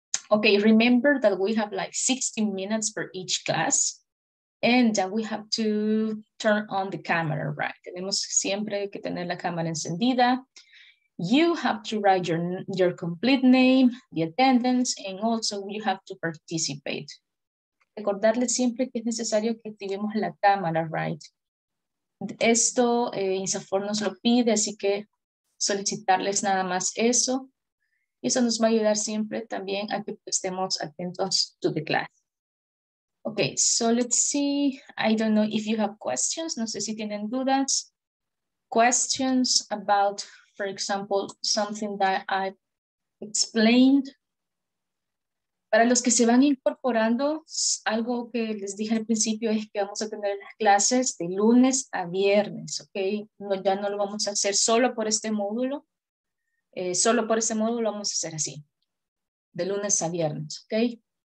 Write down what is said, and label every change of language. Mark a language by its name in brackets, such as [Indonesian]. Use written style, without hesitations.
[English] Okay, remember that we have like 60 minutes for each class. And we have to turn on the camera, right? [Spanish] Tenemos siempre que tener la cámara encendida. [English] You have to write your complete name, the attendance, and also you have to participate. [Spanish] Recordarle siempre que es necesario que activemos la cámara, right? Esto INSAFORP nos lo pide, así que solicitarles nada más eso. Y eso nos va a ayudar siempre también a que estemos atentos [English] to the class. Okay, so let's see. I don't know if you have questions. [Spanish] No sé si tienen dudas. [English] Questions about, for example, something that I explained. [Spanish] Para los que se van incorporando, algo que les dije al principio es que vamos a tener las clases de lunes a viernes, ¿ok? No, ya no lo vamos a hacer solo por este módulo. Solo por este módulo vamos a hacer así, de lunes a viernes, ¿ok?